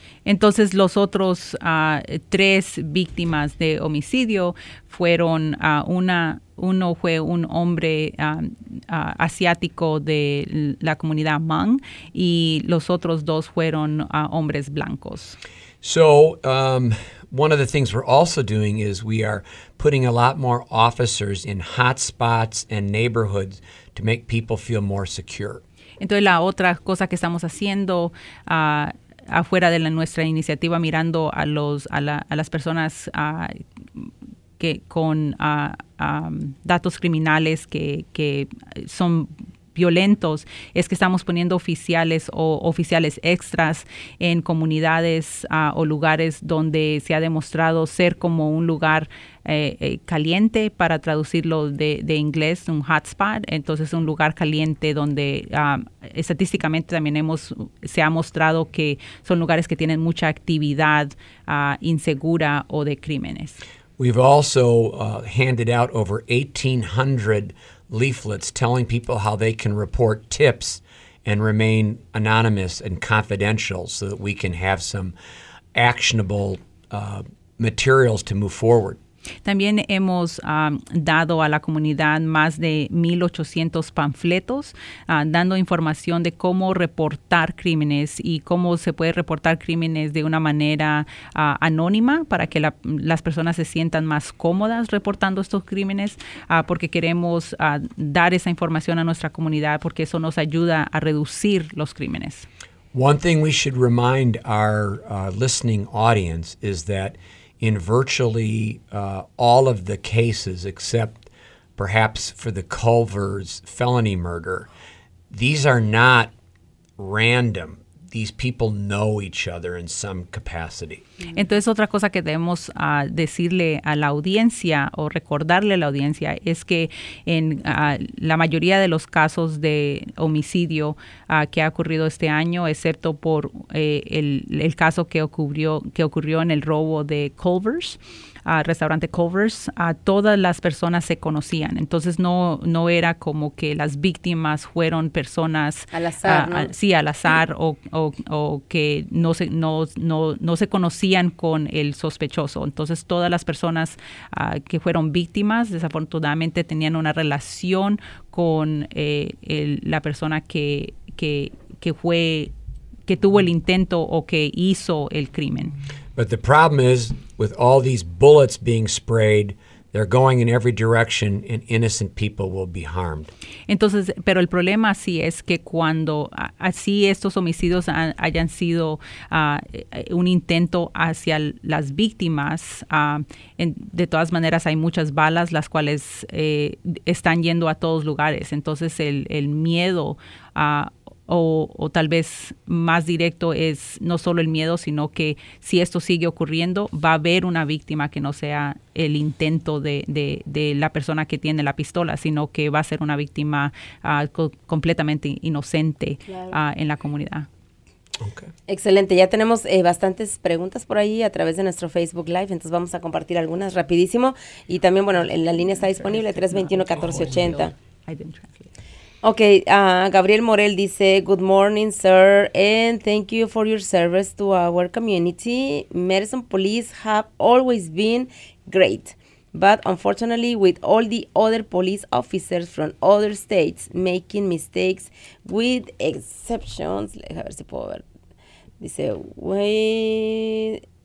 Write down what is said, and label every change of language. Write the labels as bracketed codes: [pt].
[es] Entonces, los otros tres víctimas de homicidio fueron uno fue un hombre asiático de la comunidad Hmong, y los otros dos fueron hombres blancos. [en] So, one of the things we're also doing is we are putting a lot more officers in hot spots and neighborhoods to make people feel more secure. [es] Entonces, la otra cosa que estamos haciendo afuera de nuestra iniciativa, mirando a las personas que con datos criminales que son violentos, es que estamos poniendo oficiales o oficiales extras en comunidades o lugares donde se ha demostrado ser como un lugar caliente, para traducirlo de inglés, un hotspot. Entonces, un lugar caliente donde estadísticamente también se ha mostrado que son lugares que tienen mucha actividad insegura o de crímenes. [en] We've also handed out over 1,800 leaflets telling people how they can report tips and remain anonymous and confidential so that we can have some actionable materials to move forward. [es] También hemos dado a la comunidad más de 1,800 panfletos, dando información de cómo reportar crímenes y cómo se puede reportar crímenes de una manera anónima, para que las personas se sientan más cómodas reportando estos crímenes, porque queremos dar esa información a nuestra comunidad, porque eso nos ayuda a reducir los crímenes. [en] One thing we should remind our listening audience is that in virtually all of the cases, except perhaps for the Culver's felony murder, these are not random. These people know each other in some capacity. [es] Entonces, otra cosa que debemos decirle a la audiencia o recordarle a la audiencia es que en la mayoría de los casos de homicidio que ha ocurrido este año, excepto por el caso que ocurrió en el robo de Culver's, restaurante Culver's, todas las personas se conocían. Entonces, no era como que las víctimas fueron personas al azar, ¿no? Sí, al azar, sí. O que no se conocían con el sospechoso. Entonces, todas las personas que fueron víctimas, desafortunadamente, tenían una relación con la persona que tuvo el intento o que hizo el crimen. [en] But the problem is, with all these bullets being sprayed, they're going in every direction and innocent people will be harmed. [es] Entonces, pero el problema sí es que cuando así estos homicidios hayan sido un intento hacia las víctimas, de todas maneras hay muchas balas las cuales están yendo a todos lugares. Entonces, el miedo o tal vez más directo es no solo el miedo, sino que si esto sigue ocurriendo, va a haber una víctima que no sea el intento de la persona que tiene la pistola, sino que va a ser una víctima completamente inocente. Claro. En la comunidad. Okay. Excelente. Ya tenemos bastantes preguntas por ahí a través de nuestro Facebook Live, entonces vamos a compartir algunas rapidísimo. Y también, bueno, la línea está disponible, 321-1480. Okay, Gabriel Morel dice, [en] good morning, sir, and thank you for your service to our community. Medicine police have always been great, but unfortunately, with all the other police officers from other states making mistakes, with exceptions, [es] a ver si puedo ver, dice, [en] wait,